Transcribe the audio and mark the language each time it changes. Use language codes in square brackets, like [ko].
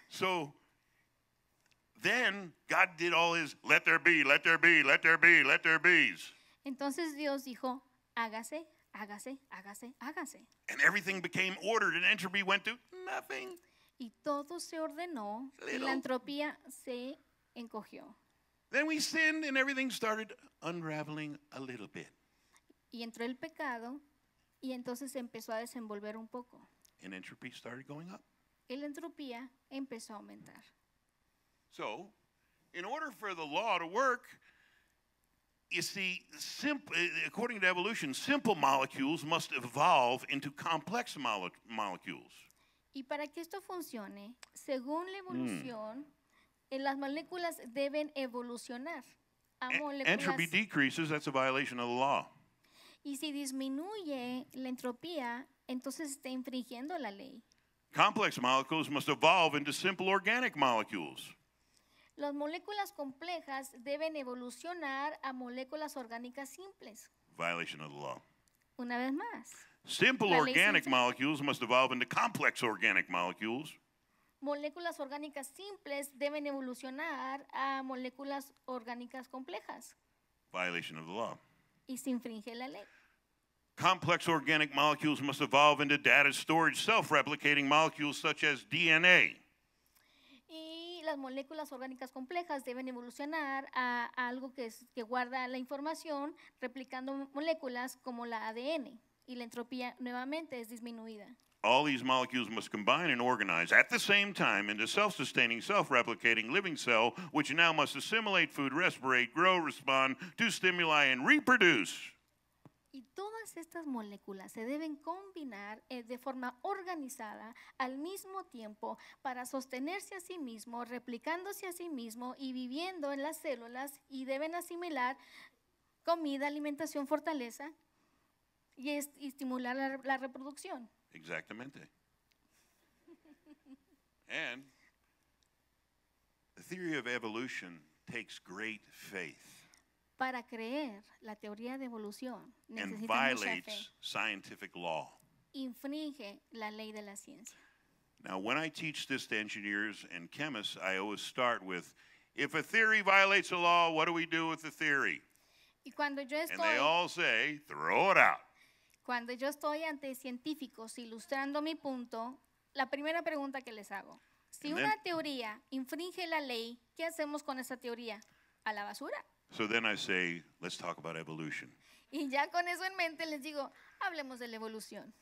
[en] So, then God did all his let there be, let there be, let there be, let there be's. [es] Entonces Dios dijo, hágase. Hágase, hágase, hágase. [en] And everything became ordered and entropy went to nothing. [es] Y todo se ordenó y la entropía se encogió. [en] Then we sinned and everything started unraveling a little bit. [es] Y entró el pecado y entonces empezó a desenvolver un poco. [en] And entropy started going up. [es] Y la entropía empezó a aumentar. [en] So, in order for the law to work, you see, according to evolution, simple molecules must evolve into complex molecules. [es] Y para que esto funcione, según la evolución, las moléculas deben evolucionar. [en] Entropy decreases, that's a violation of the law. [es] Y si disminuye la entropía, entonces está infringiendo la ley. [en] Complex molecules must evolve into simple organic molecules. [es] Las moléculas complejas deben evolucionar a moléculas orgánicas simples. [en] Violation of the law. [es] Una vez más. [en] Simple organic molecules must evolve into complex organic molecules. [es] Moléculas orgánicas simples deben evolucionar a moléculas orgánicas complejas. [en] Violation of the law. [es] Y se infringe la ley. [en] Complex organic molecules must evolve into data storage self-replicating molecules such as DNA. [es] Las moléculas orgánicas complejas deben evolucionar a algo que guarda la información replicando moléculas como la ADN y la entropía nuevamente es disminuida. [en] All these molecules must combine and organize at the same time into self-sustaining, self-replicating living cell which now must assimilate food, respirate, grow, respond to stimuli and reproduce. [es] Y todas estas moléculas se deben combinar de forma organizada al mismo tiempo para sostenerse a sí mismo, replicándose a sí mismo y viviendo en las células y deben asimilar comida, alimentación, fortaleza y estimular la reproducción. Exactamente. [en] And the theory of evolution takes great faith. [es] Para creer la teoría de evolución [en] and violates scientific law. [es] Infringe la ley de la ciencia. [en] Now, when I teach this to engineers and chemists, I always start with, if a theory violates a law, what do we do with the theory? [es] Y cuando yo estoy, [en] and they all say, throw it out. [es] Cuando yo estoy ante científicos ilustrando mi punto, la primera pregunta que les hago, si [en] and [es] una [en] then, [es] teoría infringe la ley, ¿qué hacemos con esa teoría? ¿A la basura? [en] So then I say, let's talk about evolution. [es] Y ya con eso en mente les digo, hablemos de la evolución.